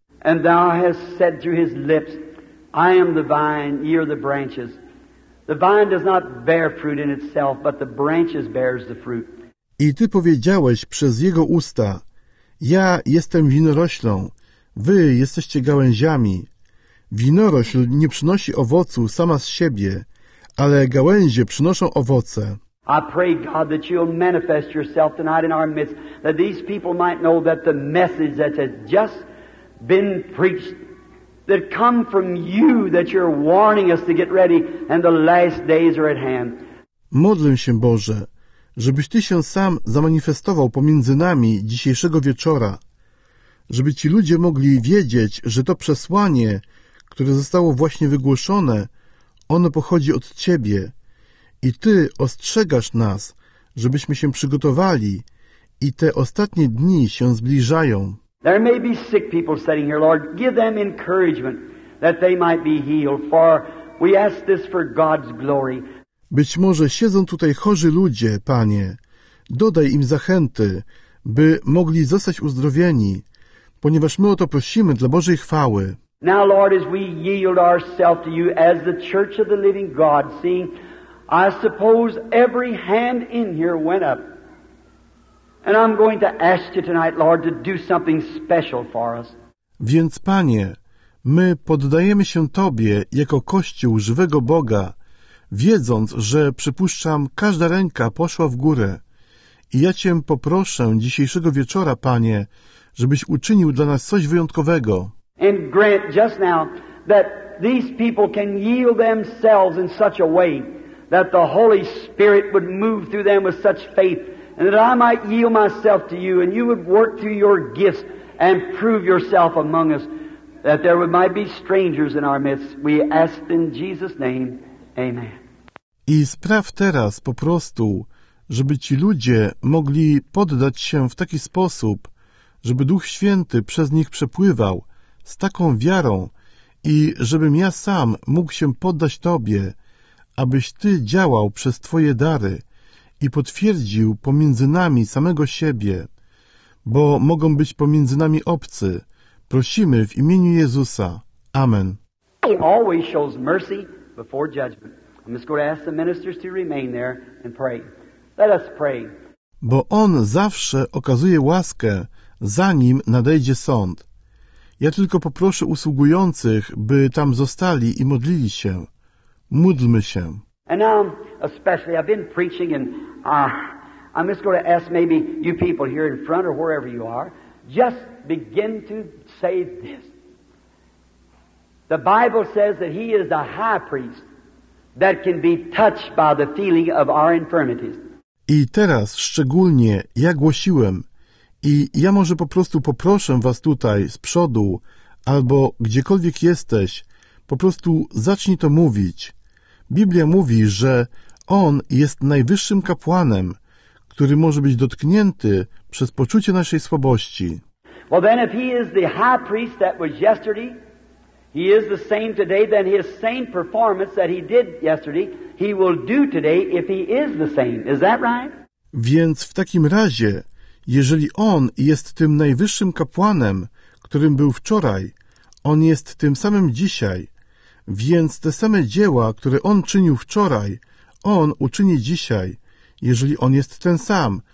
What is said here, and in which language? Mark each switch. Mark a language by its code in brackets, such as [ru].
[en] And Thou hast said through His lips, I am the vine, ye are the branches. The vine does not bear fruit in itself, but the branches bears the fruit. [pl] I Ty powiedziałeś przez Jego usta, ja jestem winoroślą, Wy jesteście gałęziami. Winorośl nie przynosi owocu sama z siebie, ale gałęzie przynoszą owoce. [en] I pray God that you'll manifest yourself tonight in our midst, that these people might know that the message that has just been preached, that come from you, that you're warning us to get ready, and the last days are at hand. [pl] Modlę się, Boże, żebyś Ty się sam zamanifestował pomiędzy nami dzisiejszego wieczora, żeby ci ludzie mogli wiedzieć, że to przesłanie, które zostało właśnie wygłoszone, ono pochodzi od Ciebie. I Ty ostrzegasz nas, żebyśmy się przygotowali i te ostatnie dni się zbliżają. [en] There may be sick people sitting here, Lord. Give them encouragement that they might be healed, for we ask this for God's glory. [pl] Być może siedzą tutaj chorzy ludzie, Panie. Dodaj im zachęty, by mogli zostać uzdrowieni, ponieważ my o to prosimy dla Bożej chwały. [en] Now, Lord, as we yield ourselves to you as the church of the living God, seeing, I suppose every hand in here went up. And I'm going to ask you tonight, Lord, to do something special for us. [pl] Więc, Panie, my poddajemy się Tobie jako Kościół żywego Boga, wiedząc, że, przypuszczam, każda ręka poszła w górę. I ja Cię poproszę dzisiejszego wieczora, Panie, żebyś uczynił dla nas coś wyjątkowego. [en] And grant just now that these people can yield themselves in such a way that the Holy Spirit would move through them with such faith, and that I might yield myself to you, and you would work through your gifts and prove yourself among us, that there might be strangers in our midst. We ask in Jesus' name. Amen. [pl] I spraw teraz po prostu, żeby ci ludzie mogli poddać się w taki sposób, żeby Duch Święty przez nich przepływał z taką wiarą i żebym ja sam mógł się poddać Tobie, abyś Ty działał przez Twoje dary i potwierdził pomiędzy nami samego siebie, bo mogą być pomiędzy nami obcy. Prosimy w imieniu Jezusa. Amen. [en] He always shows mercy before judgment. I'm just going to ask the ministers to remain there and pray. Let us pray. [pl] Bo On zawsze okazuje łaskę, zanim nadejdzie sąd. Ja tylko poproszę usługujących, by tam zostali i modlili się. Módlmy się. [en] And now, especially, I've been preaching and I'm just going to ask maybe you people here in front or wherever you are, just begin to say this. The Bible says that He is the high priest that can be touched by the feeling of our infirmities. [pl] I teraz szczególnie, ja głosiłem, I ja może po prostu poproszę was tutaj, z przodu, albo gdziekolwiek jesteś, po prostu zacznij to mówić. Biblia mówi, że On jest najwyższym kapłanem, który może być dotknięty przez poczucie naszej słabości. [en] Well, then if He is the high priest that was yesterday, He is the same today, then His same performance that He did yesterday, He will do today if He is the same. Is that right? [pl] Więc w takim razie, jeżeli On jest tym najwyższym kapłanem, którym był wczoraj, On jest tym samym dzisiaj, więc te same dzieła, które On czynił wczoraj, On uczyni dzisiaj, jeżeli On jest ten sam.